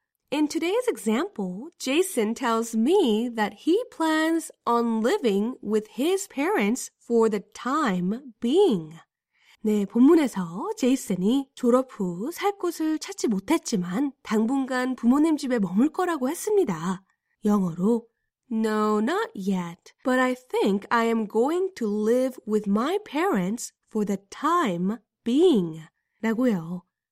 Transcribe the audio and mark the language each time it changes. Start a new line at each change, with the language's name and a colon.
English: In today's example, Jason tells me that he plans on living with his parents for the time being.
Korean: 네, 본문에서 제이슨이 졸업 후 살 곳을 찾지 못했지만 당분간 부모님 집에 머물 거라고 했습니다. 영어로
English: No, not yet, but I think I am going to live with my parents for the time being
Korean: 라고요.